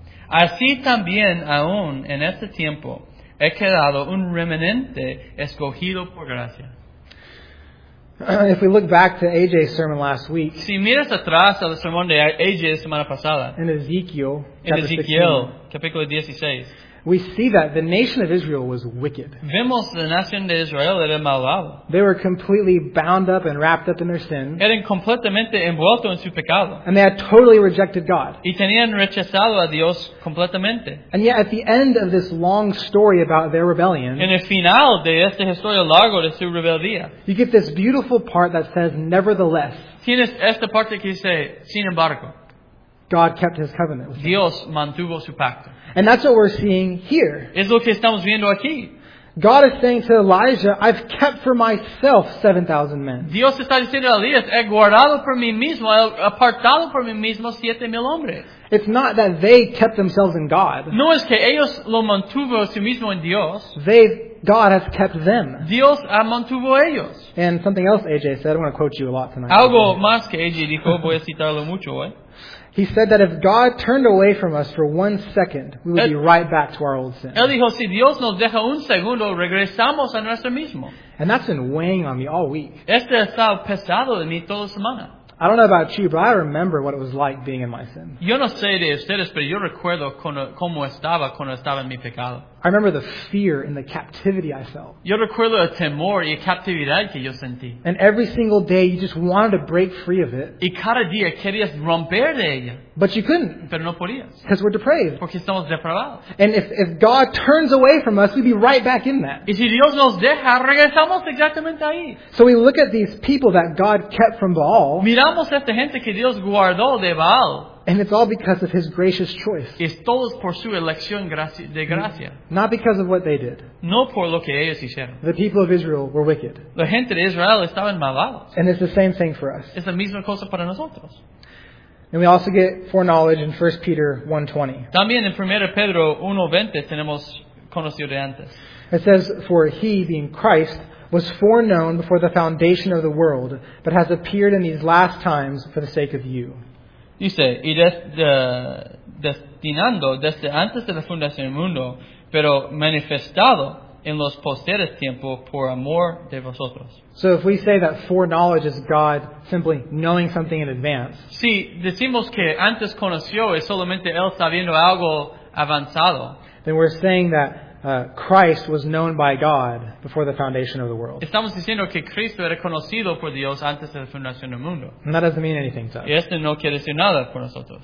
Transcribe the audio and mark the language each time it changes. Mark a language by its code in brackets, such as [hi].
[es] Así también aún en este tiempo he quedado un remanente escogido por gracia. [en] If we look back to AJ's sermon last week, [es] si miras atrás al sermón de AJ la semana pasada, en Ezequiel, capítulo 16, [en] we see that the nation of Israel was wicked. [es] Vemos la nación de Israel era malvada. [en] They were completely bound up and wrapped up in their sin. [es] Eran completamente envuelto en su pecado. [en] And they had totally rejected God. [es] Y tenían rechazado a Dios completamente. [en] And yet at the end of this long story about their rebellion, [es] en el final de esta historia largo de su rebeldía, [en] you get this beautiful part that says, nevertheless, [es] tienes esta parte que dice, sin embargo, [en] God kept his covenant with [es] Dios [en] them. [es] Mantuvo su pacto. [en] And that's what we're seeing here. [es] Es lo que estamos viendo aquí. [en] God is saying to Elijah, I've kept for myself 7,000 men. [es] Dios está diciendo a Elías, he guardado por mí mismo, he apartado por mí mismo 7,000 hombres. [en] It's not that they kept themselves in God. [es] No es que ellos lo mantuvo a sí mismo en Dios. [en] God has kept them. [es] Dios ha mantuvo ellos. [en] And something else AJ said, I want to quote you a lot tonight. [es] Algo más que AJ dijo, voy a citarlo mucho hoy. [en] He said that if God turned away from us for 1 second, we would be right back to our old sin. [es] Él dijo, si Dios nos deja un segundo, regresamos a nuestro mismo. [en] And that's been weighing on me all week. [es] Este ha estado pesado en mí toda semana. [en] I don't know about you, but I remember what it was like being in my sin. [es] Yo no sé de ustedes, pero yo recuerdo cómo estaba cuando estaba en mi pecado. [en] I remember the fear and the captivity I felt. [es] Yo recuerdo el temor y captividad que yo sentí. [en] And every single day you just wanted to break free of it. [es] Y cada día querías romper de ella. [en] But you couldn't. [es] Pero no podías. [en] Because we're depraved. [es] Porque somos depravados. [en] And if God turns away from us, we'd be right back in that. [es] Y si Dios nos deja, regresamos exactamente ahí. [en] So we look at these people that God kept from Baal. [es] Miramos a esta gente que Dios guardó de Baal. [en] And it's all because of his gracious choice. [es] Es todo por su elección de gracia. [en] Not because of what they did. [es] No por lo que ellos hicieron. [en] The people of Israel were wicked. [es] La gente de Israel estaban malvados. [en] And it's the same thing for us. [es] Es la misma cosa para nosotros. [en] And we also get foreknowledge in 1 Peter 1:20. [es] También en 1 Pedro 1:20 tenemos conocido de antes. [en] It says, "For he, being Christ, was foreknown before the foundation of the world, but has appeared in these last times for the sake of you." [es] Dice, y destinando desde antes de la fundación del mundo, pero manifestado en los posteriores tiempos por amor de vosotros. [en] So if we say that foreknowledge is God simply knowing something in advance. [es] Si decimos que antes conoció es solamente él sabiendo algo avanzado. [en] Then we're saying that Christ was known by God before the foundation of the world. [es] Estamos diciendo que Cristo era conocido por Dios antes de la fundación del mundo. [en] And that doesn't mean anything to us. [es] Y esto no quiere decir nada por nosotros.